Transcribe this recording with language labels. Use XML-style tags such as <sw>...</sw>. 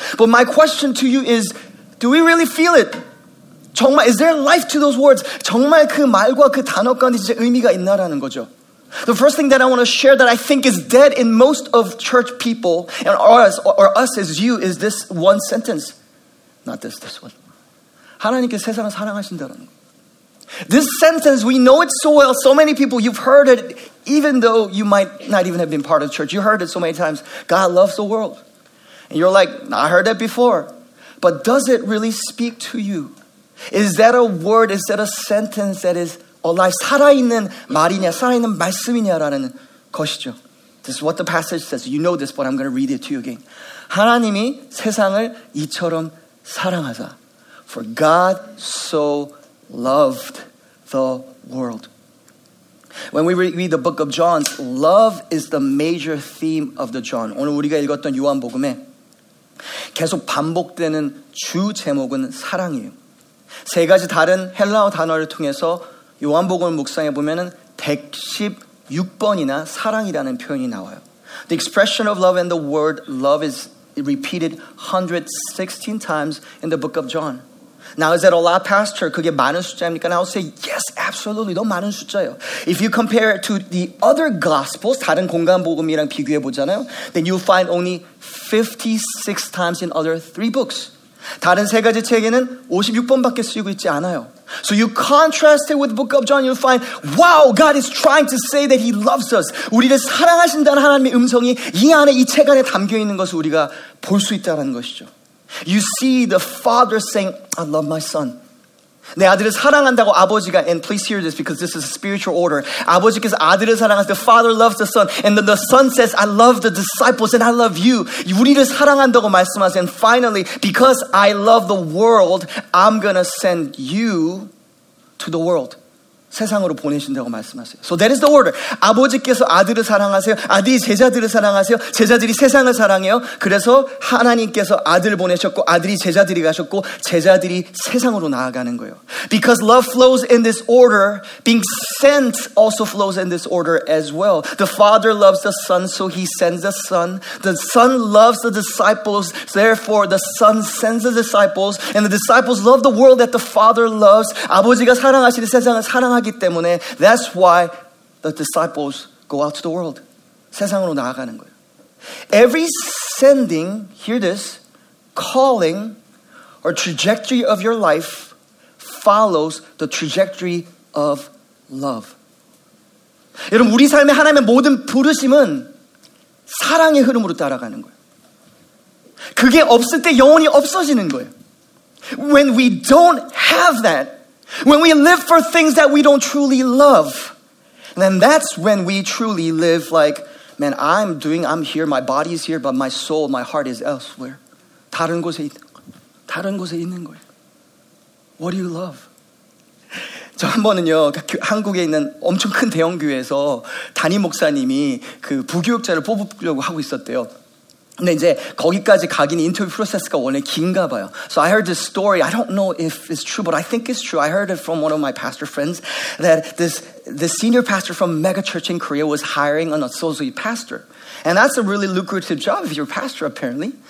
<en>But my question to you is, do we really feel it?</en> <ko>정말</ko> <en>is there life to those words?</en> <ko>정말 그 말과 그 단어 가운데 진짜 의미가 있나라는 거죠.</ko> <en>The first thing that I want to share that I think is dead in most of church people and us as you is this one sentence. Not this one.</en> <ko>하나님께서 세상을 사랑하신다는 거.</ko> <en>This sentence, we know it so well. So many people, you've heard it even though you might not even have been part of church. You heard it so many times. God loves the world. And you're like, I heard that before. But does it really speak to you? Is that a word? Is that a sentence that is alive,</en> <ko>살아있는 말이냐, 살아있는 말씀이냐라는 것이죠.</ko> <en>This is what the passage says. You know this, but I'm going to read it to you again.</en> <ko>하나님이 세상을 이처럼 사랑하사.</ko> <en>For God so loved the world. When we read the book of John, love is the major theme of the John.</en> <ko>오늘 우리가 읽었던 요한복음에 계속 반복되는 주 제목은 사랑이에요. 세 가지 다른 헬라어 단어를 통해서 요한복음을 묵상해 보면은 116번이나 사랑이라는 표현이 나와요.</ko> <en>The expression of love and the word love is repeated 116 times in the book of John. Now, is that a lot, Pastor?</en> <ko>그게 많은 숫자입니까?</ko> <en>And I'll say, yes, absolutely.</en> <ko>너무 많은 숫자예요.</ko> <en>If you compare it to the other gospels,</en> <ko>다른 공간복음이랑 비교해 보잖아요.</ko> <en>Then you'll find only 56 times in other three books.</en> <ko>다른 세 가지 책에는 56번밖에 쓰이고 있지 않아요.</ko> <en>So you contrast it with the book of John, you'll find, wow, God is trying to say that he loves us.</en> <ko>우리를 사랑하신다는 하나님의 음성이 이 안에, 이 책 안에 담겨 있는 것을 우리가 볼 수 있다는 것이죠.</ko> <en>You see the father saying, I love my son.</en> <ko>내 아들을 사랑한다고 아버지가,</ko> <en>and please hear this because this is a spiritual order.</en> <ko>아버지께서 아들을 사랑하세요.</ko> <en>The father loves the son. And then the son says, I love the disciples and I love you.</en> <ko>우리를 사랑한다고 말씀하세요.</ko> <en>And finally, because I love the world, I'm gonna send you to the world.</en> <ko>세상으로 보내신다고 말씀하세요.</ko> <en>So that is the order.</en> <ko>아버지께서 아들을 사랑하세요. 아들이 제자들을 사랑하세요. 제자들이 세상을 사랑해요. 그래서 하나님께서 아들을 보내셨고 아들이 제자들이 가셨고 제자들이 세상으로 나아가는 거예요.</ko> <en>Because love flows in this order, being sent also flows in this order as well. The Father loves the Son, so He sends the Son. The Son loves the disciples, therefore the Son sends the disciples. And the disciples love the world that the Father loves.</en> <ko>아버지가 사랑하시는 세상을 사랑 하기 때문에</ko> <en>that's why the disciples go out to the world.</en> <ko>세상으로 나아가는 거예요.</ko> <en>Every sending, hear this, calling or trajectory of your life follows the trajectory of love.</en> <ko>여러분 우리 삶의 하나님의 모든 부르심은 사랑의 흐름으로 따라가는 거예요. 그게 없을 때 영혼이 없어지는 거예요.</ko> <en>When we don't have that, when we live for things that we don't truly love, then that's when we truly live like, man, I'm here, my body is here, but my soul, my heart is elsewhere.</en> <ko>다른 곳에 있는 거예요.</ko> <en>What do you love?</en> <ko>저 한 번은요, 한국에 있는 엄청 큰 대형교회에서 담임 목사님이 그 부교역자를 뽑으려고 하고 있었대요. 근데 이제 거기까지 가기는 인터뷰 프로세스가 원래 긴가 봐요.</ko> <en>So I heard this story. I don't know if it's true, but I think it's true. I heard it from one of my pastor friends that this senior pastor from mega church in Korea was hiring an associate pastor. And that's a really lucrative job if you're a pastor, apparently.</en>